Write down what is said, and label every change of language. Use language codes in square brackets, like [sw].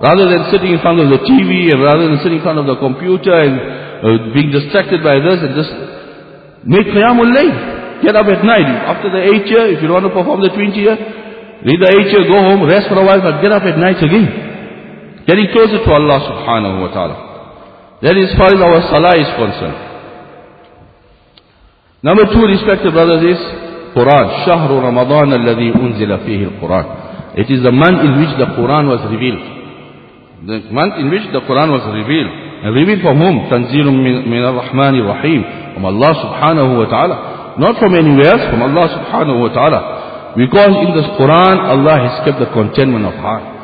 [en] Rather than sitting in front of the TV, and rather than sitting in front of the computer, and being distracted by this, and just make qiyamul layl. Get up at night. After the 8, if you want to perform the 20, Read the 8 year, go home, rest for a while, but get up at night again. Getting closer to Allah subhanahu wa ta'ala. That is as far as our salah is concerned. Number two, respected brothers, is Quran. [ar] شهر رمضان الذي أنزل فيه القرآن. [en] It is the month in which the Quran was revealed. The month in which the Quran was revealed. And revealed from whom? [ar] تنزيل من الرحمن الرحيم. [en] From Allah subhanahu wa ta'ala. Not from anywhere else, from Allah subhanahu wa ta'ala. Because in this Quran, Allah has kept the contentment of heart.